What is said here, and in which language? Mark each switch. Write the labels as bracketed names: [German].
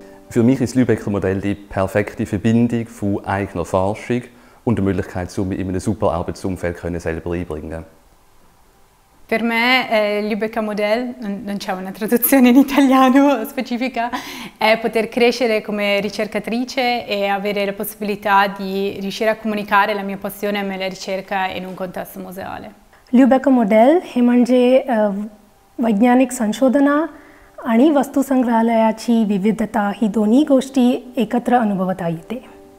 [German] Für mich ist das Lübecker Modell die perfekte Verbindung von eigener Forschung und der Möglichkeit, um mich in einem super Arbeitsumfeld selber einbringen. [Italian] Per me il Lübecker Modell, non c'è una traduzione in italiano specifica, è poter crescere come ricercatrice e avere la possibilità di riuscire a comunicare la mia passione e la ricerca in un contesto museale. [Marathi] Lübecker Modell [Italian] è una [Marathi] vajnjanik sanshodana आणि वस्तुसंग्रहालयाची विविधता ही दोन्ही गोष्टी एकत्र अनुभवता येते.